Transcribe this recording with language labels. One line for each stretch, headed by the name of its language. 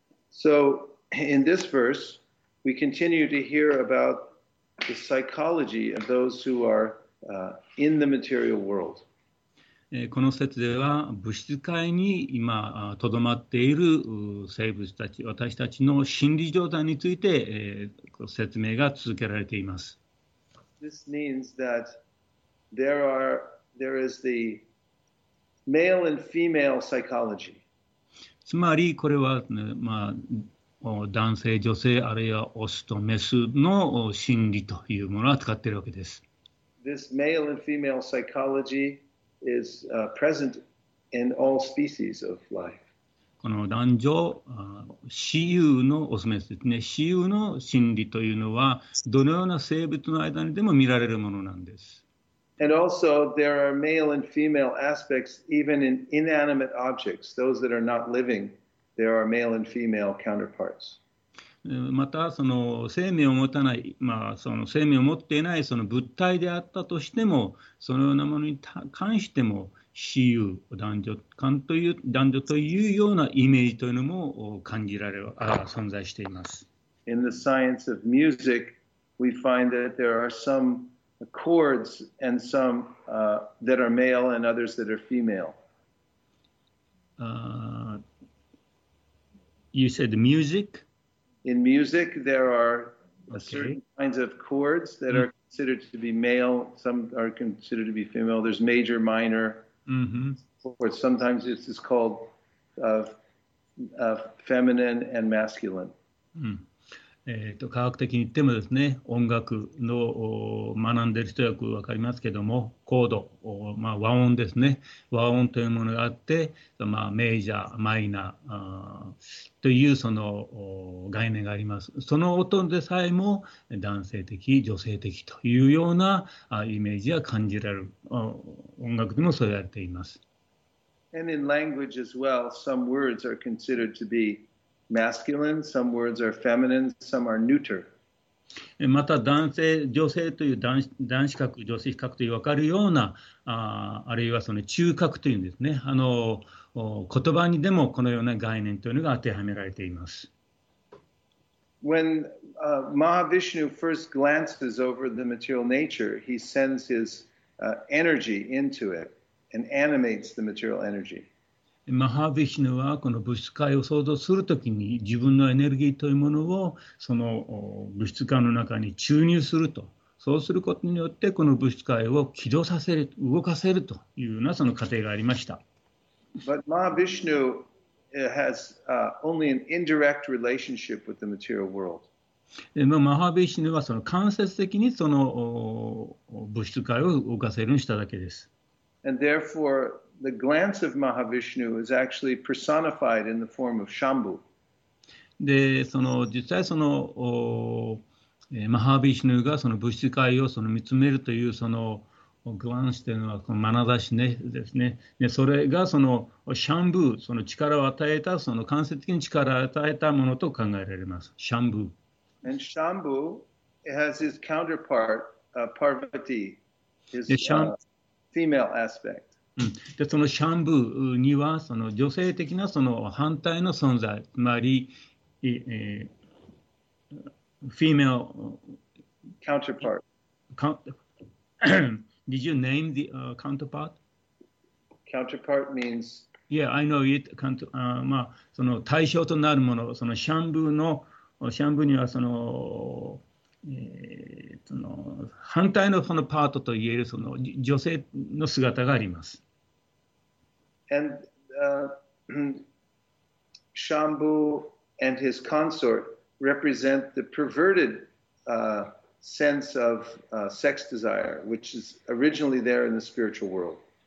English: So, in this verse, we continue to hear about the psychology of those who are in the material world.
Japanese: この説では物質界に今とどまっている生物たち、私たちの心理状態について説明が続けられています。
English: This means that there is the male and female psychology.
Japanese: つまりこれは、ね、まあ、男性女性あるいはオスとメスの心理というものを扱っているわけです。
English: This male and female psychology is present in all species of life.
Japanese: この男女雌雄のオスメスですね。雌雄の心理というのはどのような生物の間にでも見られるものなんです。
English: And also, there are male and female aspects even in inanimate objects. Those that are not living, there are male and female counterparts.
Japanese: また、その生命を持たない、まあ、その生命を持っていないその物体であったとしても、そのようなものに関しても、雌雄、男女間という、男女というようなイメージというのも感じられる、存在しています。
English: In the science of music, we find that there are some... chords and some that are male and others that are female. You said music? In music, there are certain kinds of chords that are considered to be male, some are considered to be female. There's major, minor, or sometimes it's called feminine and masculine. Mm.
Japanese: 科学的に言ってもですね、音楽の学んでる人よく分かりますけども、コード、まあ、和音ですね、和音というものがあって、まあ、メジャー、マイナーというその概念があります。その音でさえも男性的、女性的というようなイメージが感じられる。音楽でもそう言われています。
English: And in language as well, some words are considered to beMasculine, some words are feminine, some are neuter.
Japanese: また男性、女性という男子格、女子格という分かるような、あるいはその中格というんですね、言葉にでもこのような概念というのが当てはめられています。
English: When Mahavishnu first glances over the material nature, he sends his energy into it and animates the material energy.
Japanese: マハヴィシュヌはこの物質界を創造するときに自分のエネルギーというものをその物質界の中に注入すると、そうすることによってこの物質界を起動させる、動かせるというようなその過程がありました。
English: But Mahavishnu has only an indirect relationship with the material world.
Japanese: マハヴィシュヌはその間接的にその物質界を動かせるにしただけです。
English: And therefore,The glance of Mahavishnu is actually personified in the form of Shambhu.
Japanese: で、その実際その、マハヴィシュヌがその物質界をその見つめるというそのグランスというのはこの眼差しね、ですね。で、それがそのシャンブー、その力を与えた、その間接的に力を与えたものと考えられます。シャンブー。
English: And Shambhu has his counterpart, Parvati, his female aspect.
Japanese: でそのシャンブーにはその女性的なその反対の存在、つまり、フィメル、
English: counterpart。 Did you name the counterpart? Counterpart means. Yeah, I know it.
Japanese: まあ、その対象となるもの、そのシャンブーの、シャンブーにはその、その反対のそのパートといえるその女性の姿があります。
English: And Shambhu and his consort represent the perverted sense of sex desire, which is originally there in the spiritual world.